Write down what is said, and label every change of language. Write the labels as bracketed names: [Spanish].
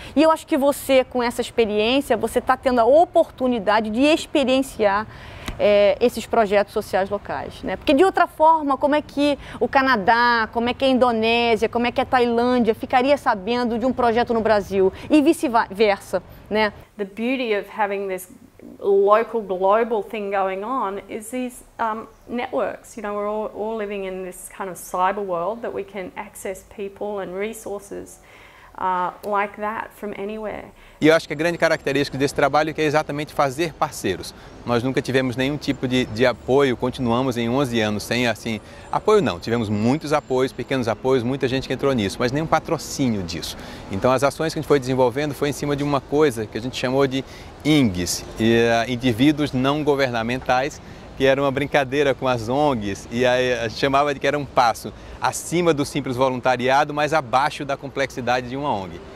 [Portuguese] E eu acho que você, com essa experiência, você está tendo a oportunidade de experienciar esses projetos sociais locais, né? Porque de outra forma, como é que o Canadá, como é que a Indonésia, como é que a Tailândia ficaria sabendo de um projeto no Brasil e vice-versa, né? [English] The beauty of having this local global thing going on is these networks. You know, we're all living in this kind of cyber world that we can access people and resources like that from anywhere. [Portuguese] E eu acho que a grande característica desse trabalho é que é exatamente fazer parceiros. Nós nunca tivemos nenhum tipo de apoio, continuamos em 11 anos sem, assim, apoio não. Tivemos muitos apoios, pequenos apoios, muita gente que entrou nisso, mas nenhum patrocínio disso. Então as ações que a gente foi desenvolvendo foi em cima de uma coisa que a gente chamou de INGS, indivíduos não governamentais, que era uma brincadeira com as ONGs, e aí a gente chamava de que era um passo acima do simples voluntariado, mas abaixo da complexidade de uma ONG.